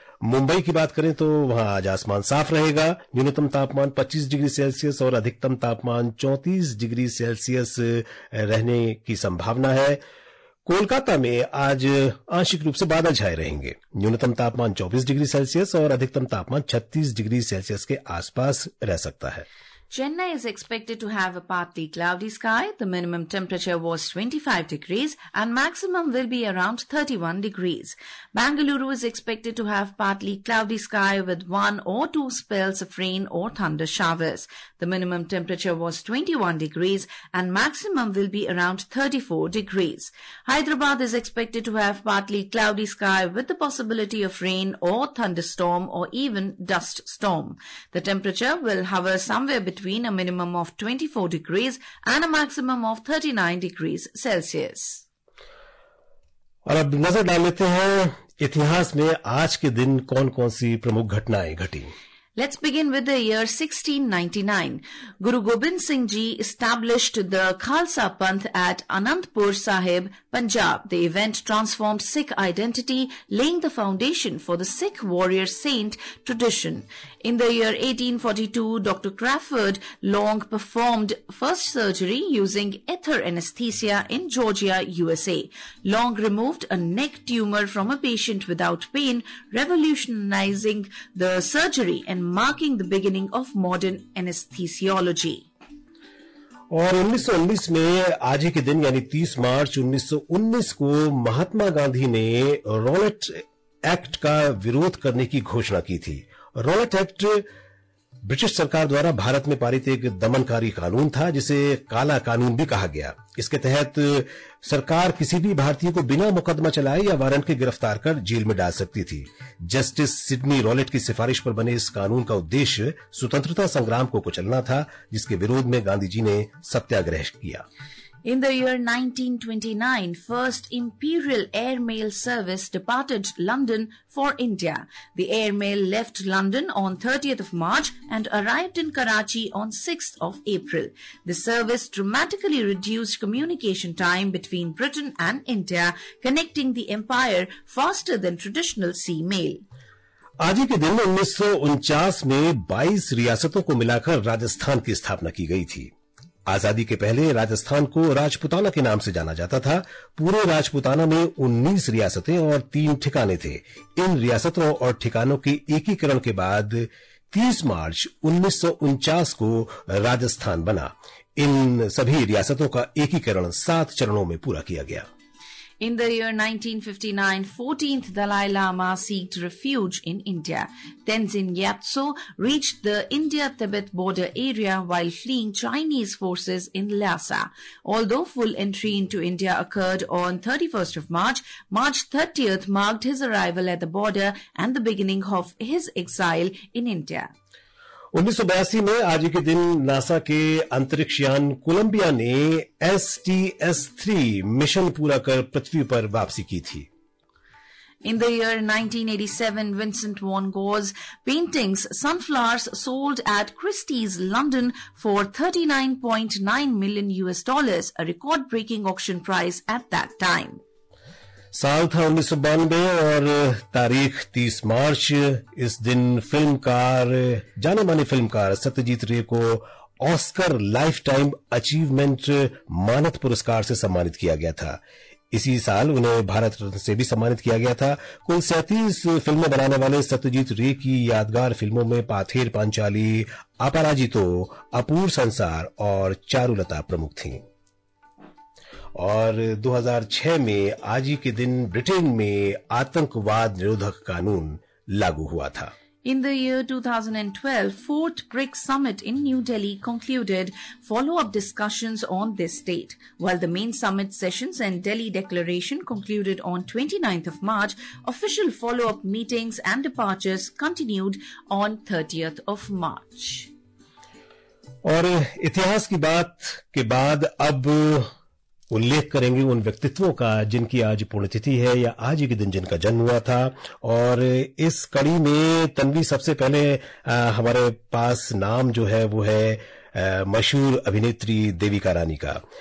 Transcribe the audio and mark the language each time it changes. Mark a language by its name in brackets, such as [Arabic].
[Hindi] मुंबई की बात करें तो वहां आज आसमान साफ रहेगा. न्यूनतम तापमान 25 डिग्री सेल्सियस और अधिकतम तापमान 34 डिग्री सेल्सियस रहने की संभावना है. कोलकाता में आज आंशिक रूप से बादल छाए रहेंगे. न्यूनतम तापमान 24 डिग्री सेल्सियस और अधिकतम तापमान 36 डिग्री सेल्सियस के आसपास रह सकता है. [English] Chennai is expected to have a partly cloudy sky. The minimum temperature was 25 degrees and maximum will be around 31 degrees. Bengaluru is expected to have partly cloudy sky with one or two spells of rain or thunder showers. The minimum temperature was 21 degrees and maximum will be around 34 degrees. Hyderabad is expected to have partly cloudy sky with the possibility of rain or thunderstorm or even dust storm. The temperature will hover somewhere between a minimum of 24 degrees and a maximum of 39 degrees Celsius. [Hindi] और अब नजर डाल लेते हैं इतिहास में आज के दिन कौन-कौन सी प्रमुख घटनाएं घटी। [English] Let's begin with the year 1699. Guru Gobind Singh Ji established the Khalsa Panth at Anandpur Sahib, Punjab. The event transformed Sikh identity, laying the foundation for the Sikh warrior saint tradition. In the year 1842, Dr. Crawford Long performed first surgery using ether anesthesia in Georgia, USA. Long removed a neck tumor from a patient without pain, revolutionizing the surgery and marking the beginning of modern anesthesiology. [Hindi] और 1919 में आज ही के दिन यानी 30 मार्च 1919 को महात्मा गांधी ने Rowlatt act का विरोध करने की घोषणा की थी। रॉलेट एक्ट ब्रिटिश सरकार द्वारा भारत में पारित एक दमनकारी कानून था जिसे काला कानून भी कहा गया। इसके तहत सरकार किसी भी भारतीय को बिना मुकदमा चलाए या वारंट के गिरफ्तार कर जेल में डाल सकती थी। जस्टिस सिडनी रॉलेट की सिफारिश पर बने इस कानून का उद्देश्य स्वतंत्रता संग्राम को कुचलना था जिसके विरोध में गांधी जी ने सत्याग्रह किया। [English] In the year 1929, first Imperial Airmail service departed London for India. The Airmail left London on 30th of March and arrived in Karachi on 6th of April. The service dramatically reduced communication time between Britain and India, connecting the empire faster than traditional sea mail. [Hindi] आज ही के दिन 1949 में 22 रियासतों को मिलाकर राजस्थान की स्थापना की गई थी। आजादी के पहले राजस्थान को राजपुताना के नाम से जाना जाता था। पूरे राजपुताना में 19 रियासतें और 3 ठिकाने थे। इन रियासतों और ठिकानों के एकीकरण के बाद 30 मार्च 1949 को राजस्थान बना। इन सभी रियासतों का एकीकरण 7 चरणों में पूरा किया गया। [English] In the year 1959, 14th Dalai Lama sought refuge in India. Tenzin Gyatso reached the India-Tibet border area while fleeing Chinese forces in Lhasa. Although full entry into India occurred on 31st of March, March 30th marked his arrival at the border and the beginning of his exile in India. [Hindi] 1982 में आज के दिन NASA के अंतरिक्षयान Colombia ने STS-3 mission पूरा कर पृथ्वी पर वापसी की थी। [English] In the year 1987, Vincent van Gogh's paintings Sunflowers sold at Christie's London for $39.9 million, a record-breaking auction price at that time. [Hindi] साल था 1992 और तारीख 30 मार्च। इस दिन जाने माने फिल्मकार सत्यजीत रे को ऑस्कर लाइफटाइम अचीवमेंट मानद पुरस्कार से सम्मानित किया गया था। इसी साल उन्हें भारत रत्न से भी सम्मानित किया गया था। कुल 37 फिल्में बनाने वाले सत्यजीत रे की यादगार फिल्मों में पाथेर पांचाली, अपराजितो, अपूर संसार और चारुलता प्रमुख थी। और 2006 में आज ही के दिन ब्रिटेन में आतंकवाद निरोधक कानून लागू हुआ था। [English] In the year 2012, fourth BRICS summit in New Delhi concluded follow-up discussions on this date. While the main summit sessions and Delhi declaration concluded on 29th of March, official follow-up meetings and departures continued on 30th of March. [Hindi] और इतिहास की बात के बाद अब उल्लेख करेंगे उन व्यक्तित्वों का जिनकी आज पुण्यतिथि है या आज के दिन जिनका जन्म हुआ था। और इस कड़ी में तन्वी सबसे पहले हमारे पास नाम जो है वो है मशहूर अभिनेत्री देविका रानी का।